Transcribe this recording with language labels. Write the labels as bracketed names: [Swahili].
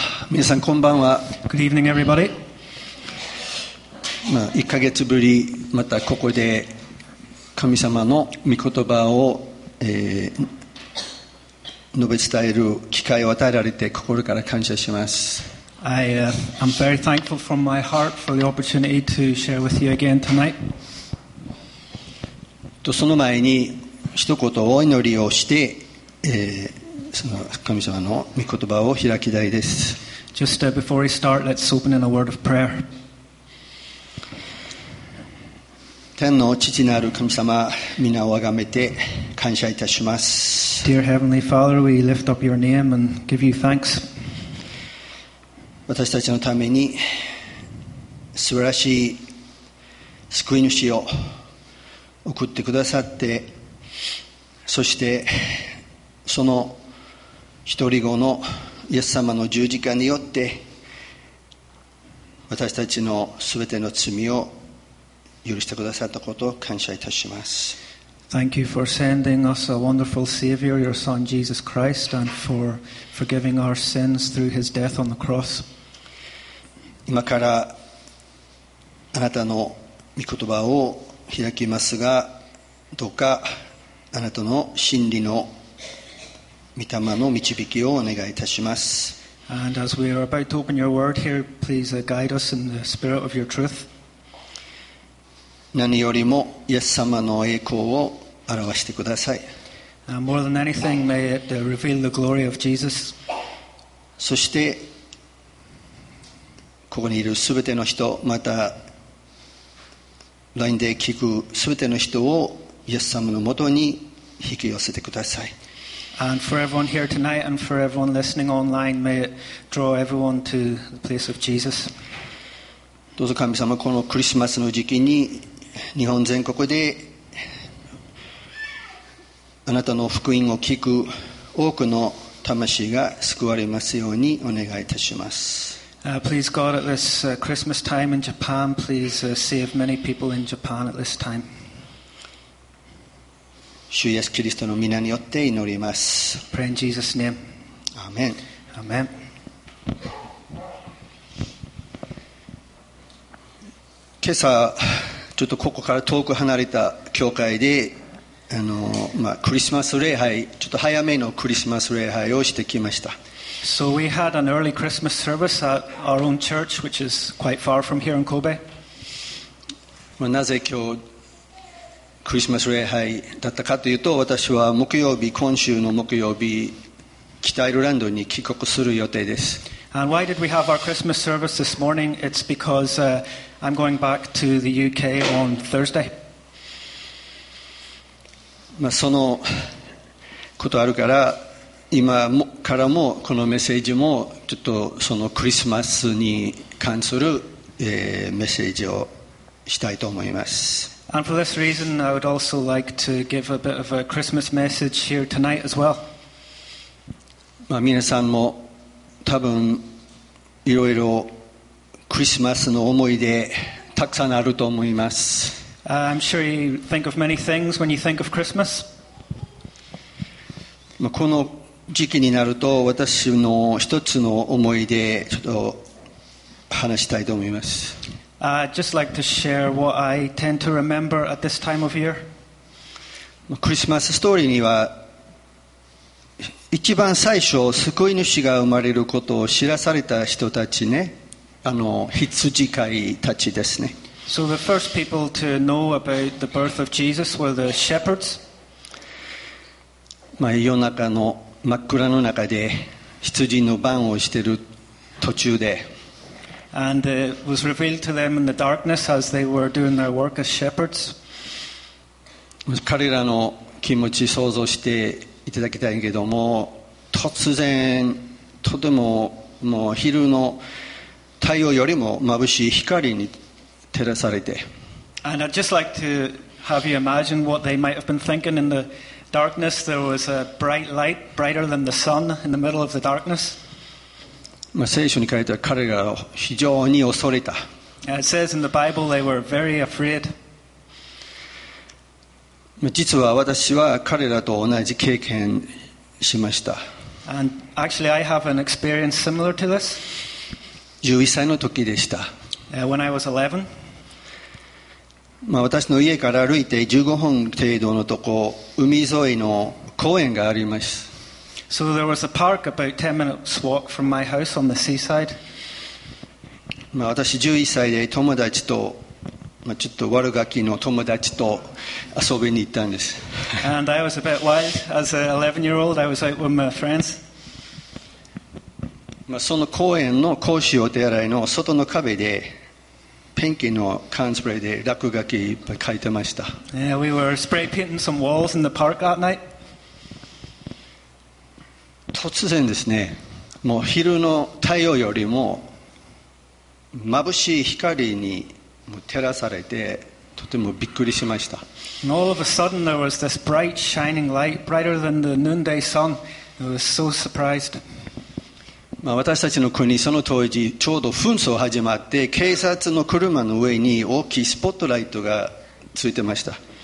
[Japanese] 皆さんこんばんは。 [English] Good evening everybody。 [Japanese] まあ、1ヶ月ぶりまたここで神様の御言葉を、述べ伝える機会を与えられて心から感謝します。 [English] I'm very thankful from my heart for the opportunity to share with you again tonight。 [Japanese] とその前に一言お祈りをして、その神様の御言葉を開きたいです。 [English] Just before we start, let's open in a word of prayer。 [Japanese] 天の父なる神様、皆をあがめて感謝いたします。 [English] Dear Heavenly Father, we lift up your name and give you thanks. [Japanese] 私たちのために素晴らしい救い主を送ってくださって、そしてその一人子のイエス様の十字架によって私たちのすべての罪を許してくださったことを感謝いたします。 [English] Thank you for sending us a wonderful Savior, your Son Jesus Christ, and for forgiving our sins through His death on the cross. [Japanese] 今からあなたの御言葉を開きますが、どうかあなたの真理の御霊の導きをお願いいたします。 [English] And as we are about to open your word here, please guide us in the spirit of your truth. [Japanese] 何よりもイエス様の栄光を表してください。 [English] More than anything, may it reveal the glory of Jesus. [Japanese] そしてここにいるすべての人、またラインで聞くすべての人をイエス様のもとに引き寄せてください。 [English] And for everyone here tonight and for everyone listening online, may it draw everyone to the place of Jesus. [Japanese] どうぞ神様、このクリスマスの時期に日本全国であなたの福音を聞く多くの魂が救われますようにお願いいたします。 [English] Please God, at this Christmas time in Japan, please save many people in Japan at this time. [Japanese] 主イエスキリストの御名によって祈ります。 [English] Pray in Jesus' name. Amen. Amen. [Japanese] 今朝ちょっとここから遠く離れた教会で、まあ、クリスマス礼拝、ちょっと早めのクリスマス礼拝をしてきました。 [English] So we had an early Christmas service at our own church, which is quite far from here in Kobe. [Japanese] まあ、なぜ今日クリスマス礼拝だったかというと、私は木曜日、今週の木曜日、北アイルランドに帰国する予定です。 [English] And why did we have our Christmas service this morning? It's because I'm going back to the UK on Thursday. [Japanese] まあ、そのことあるから今からもこのメッセージもちょっとそのクリスマスに関する、メッセージをしたいと思います。 [English] And for this reason, I would also like to give a bit of a Christmas message here tonight as well. [Japanese] まあ、皆さんも多分いろいろクリスマスの思い出たくさんあると思います。 [English] I'm sure you think of many things when you think of Christmas。 [Japanese] まあ、この時期になると私の一つの思い出ちょっと話したいと思います。 [English] I'd just like to share what I tend to remember at this time of year。 [Japanese] まあ、クリスマスストーリーには一番最初救い主が生まれることを知らされた人たちね、あの羊飼いたちですね。 [English] So the first people to know about the birth of Jesus were the shepherds。 [Japanese] まあ、夜中の真っ暗の中で羊の番をしている途中で、 [English] And it was revealed to them in the darkness as they were doing their work as shepherds。 [Japanese] 彼らの気持ち想像していただきたいけども、突然とてももう昼の太陽よりも眩しい光に照らされて、 [English] And I'd just like to have you imagine what they might have been thinking in the d darkness there was a bright light, brighter than the sun in the middle of the darkness. [Japanese] まあ、聖書に書いてある彼らを非常に恐れた。 [English] It says in the Bible they were very afraid. [Japanese] 実は私は彼らと同じ経験しました。 [English] And actually I have an experience similar to this. [Japanese] 11歳の時でした。 [English] When I was 11. [Japanese] まあ、私の家から歩いて15分程度のとこ、海沿いの公園があります。 [English] So there was a park about 10 minutes walk from my house on the seaside. [Japanese] まあ、私11歳で友達と、まあ、ちょっと悪ガキの友達と遊びに行ったんです。 [English] And I was a bit wild. As an 11-year-old, I was out with my friends. [Japanese] まあ、その公園の公衆お手洗いの外の壁で、ペンキの缶スプレーで落書きいっぱい書いてました。 [English] Yeah, we were spray painting some walls in the park that night. [Japanese] 突然ですね、もう昼の太陽よりも眩しい光に照らされてとてもびっくりしました。 [English] And all of a sudden there was this bright shining light, brighter than the noonday sun. I was so surprised. [Japanese] まあ、私たちの国その当時ちょうど紛争始まって警察の車の上に大きいスポットライトがついてました。